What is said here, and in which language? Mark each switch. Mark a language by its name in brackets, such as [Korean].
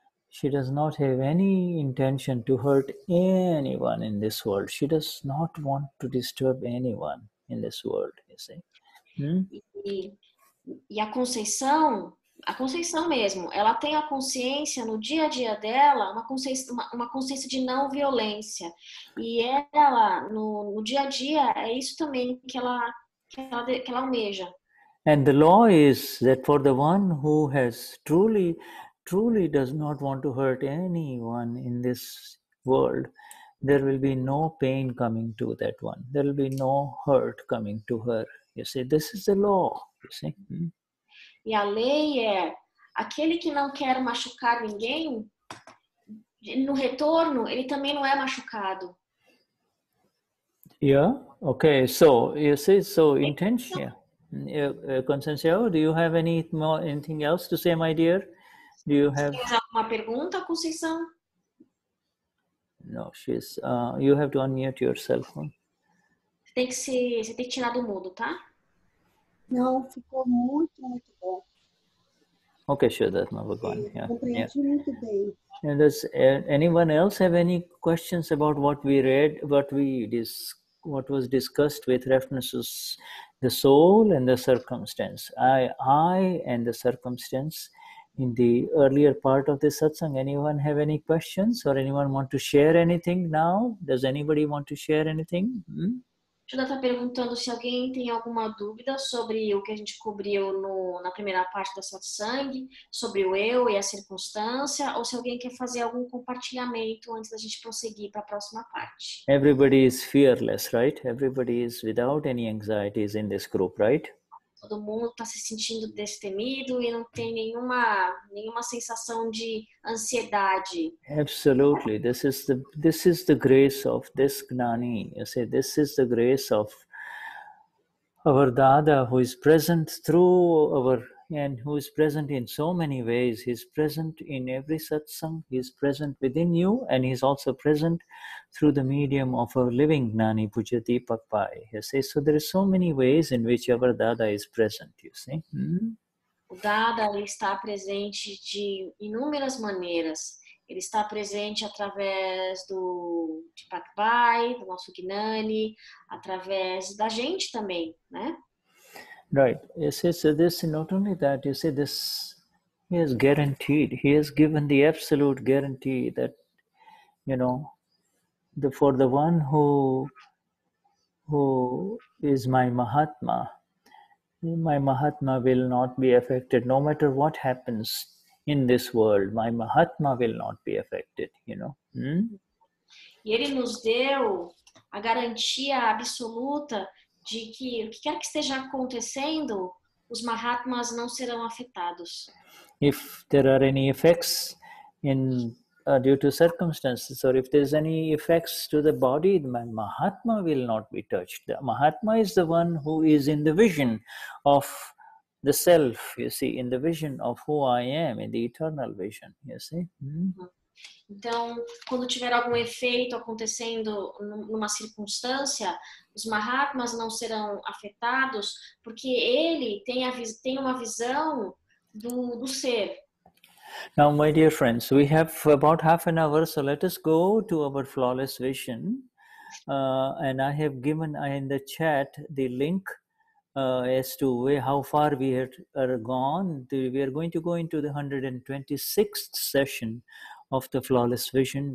[English] She does not have any intention to hurt anyone in this world. She does not want to disturb anyone in this world, you see. [Portuguese] E a Conceição mesmo, ela tem a consciência no dia a dia dela, uma consciência de não violência. E ela, no dia a dia, é isso também que ela almeja. [English] And the law is that for the one who has truly does not want to hurt anyone in this world, there will be no pain coming to that one. There will be no hurt coming to her. You see, this is the law, you see. [Portuguese] E a lei é, aquele que não quer machucar ninguém, no retorno, ele também não é machucado. [English] Yeah, okay, so, you see, so, intention, yeah. Consensual, do you have anything else to say, my dear? Do you have [Portuguese] uma pergunta, Conceição? [English] No, she's. You have to unmute your cell phone. [Portuguese] Você tem que tirar do mudo, tá? Não, ficou muito, muito bom. [English] Okay, Shuddhatma, we're going. Yeah. [Portuguese] Compreendi muito bem. [English] And does anyone else have any questions about what we read, what was discussed with references the soul and the circumstance? I and the circumstance. In the earlier part of the satsang, anyone have any questions or anyone want to share anything now? Does anybody want to share anything? [Portuguese] Shuddha está perguntando se alguém tem alguma dúvida sobre o que a gente cobriu na primeira parte da satsang, sobre o eu e a circunstância, ou se alguém quer fazer algum compartilhamento antes da gente prosseguir para a próxima parte. [English] Everybody is fearless, right? Everybody is without any anxieties in this group, right? [Portuguese] Todo mundo está se sentindo destemido e não tem nenhuma sensação de ansiedade. [English] Absolutely. This is the grace of this Gnani. You see, this is the grace of our Dada, who is present through our, and who is present in so many ways. He is present in every satsang. He is present within you, and he is also present through the medium of a living Gnani Pujati Pakpai. You see, so there are so many ways in which our Dada is present, you see. [Portuguese] O Dada está presente de inúmeras maneiras. Ele está presente através de Pakpai, do nosso Gnani, através da gente também, né? [English] Right. You see, so this, not only that, you see, this, he has guaranteed, he has given the absolute guarantee that, you know, for the one who is my Mahatma will not be affected. No matter what happens in this world, my Mahatma will not be affected, you know. [Portuguese] E ele nos deu a garantia absoluta de que o que quer que esteja acontecendo, os Mahatmas não serão afetados. [English] If there are any effects due to circumstances, or if there's any effects to the body, the Mahatma will not be touched. The Mahatma is the one who is in the vision of the self, you see, in the vision of who I am, in the eternal vision, you see. Mm-hmm. [Portuguese] Então, quando tiver algum efeito acontecendo numa circunstância, os Mahatmas não serão afetados, porque ele tem, tem uma visão do ser. [English] Now, my dear friends, we have about half an hour, so let us go to our flawless vision. And I have given in the chat the link as to how far we are gone. We are going to go into the 126th session of the flawless vision.